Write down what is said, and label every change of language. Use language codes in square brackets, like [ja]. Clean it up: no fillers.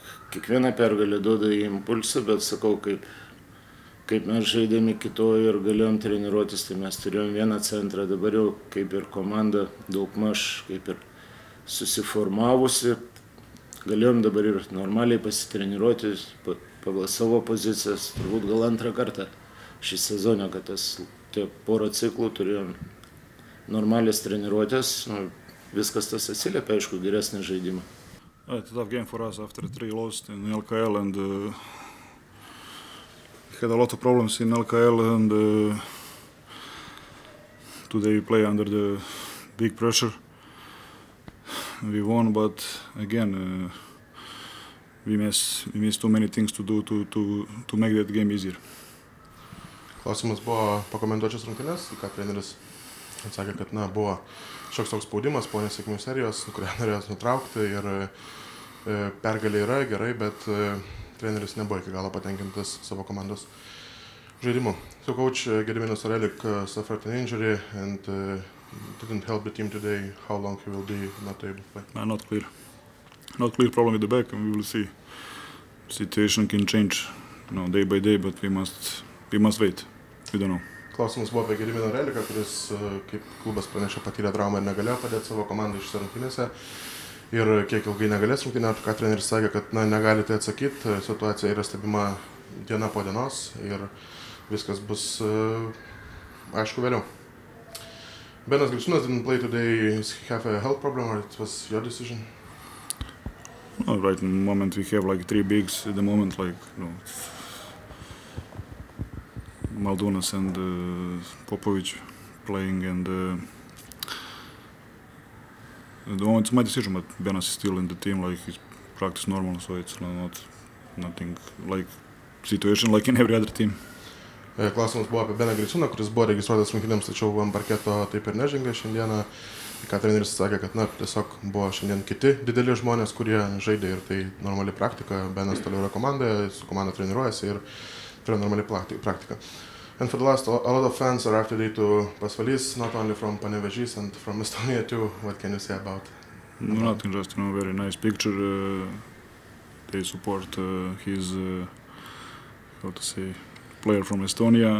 [lt] Kiekvieną pergalį duoda į impulsą, bet sakau, kaip mes žaidėme kitoje ir galėjom treniruotis, tai mes turėjom vieną centrą, dabar jau kaip ir komanda daugmaž kaip ir susiformavusi, galėjom dabar ir normaliai pasitreniruoti pagal savo pozicijas, turbūt gal antrą kartą šį sezoną, kad tie porą ciklų turėjom normalias treniruotės, viskas tas atsiliepia, aišku, geresnį žaidimą. [en] To tough game for us after 3 losses in LKL and had a lot of problems in LKL and today we play under the big pressure. We won, but again we missed too many things to do to make that game easier. [lt] Klausimas buvo pakomentuočios rankinės, ką treneris atsakė, kad na, buvo šioks toks spaudimas po nesėkmių serijos, kurią norėjos nutraukti ir pergalė yra gerai, bet treneris nebuvo iki galo patenkintas savo komandos žaidimu. [en] So coach Gediminas Sorelik suffered an injury and didn't help the team today. How long he will be not able to play? Not clear. Not clear problem with the back and we will see. Situation can change, you know, day by day, but we must wait. We don't know. [lt] Klausimas buvo apie Gediminą Reliką, kuris kaip klubas pranešė patyrė traumą ir negalėjo padėti savo komandai šiose rungtynėse. Ir kiek ilgai negalės rungtyniauti, ką treneris sakė, kad na, negalite atsakyti, situacija yra stebima diena po dienos ir viskas bus aišku vėliau. [en] Benas Gličiūnas didn't play today, he have a health problem or it was your decision? No, right in the moment we have like 3 bigs at the moment, like, you know, Maldonas and Popovic playing and it's my decision, but Benas is still in the team, like he's practice normal, so it's not nothing like situation like in every other team. [lt] Klausimas buvo apie Beną Griciūną, kuris buvo registruotas rungtynėms, tačiau ant parketo taip ir nežengė šiandieną. Ką treneris sakė, kad na, tiesiog buvo šiandien kiti dideli žmonės, kurie žaidė ir tai normali praktika. Benas toliau yra komandoje, su komanda treniruojasi ir yra normali praktika. [en] And for the last, a lot of fans are after to Pasvalys, not only from Panevėžys and from Estonia too. What can you say about? No, nothing, just, you know, very nice picture. They support his, how to say, player from Estonia.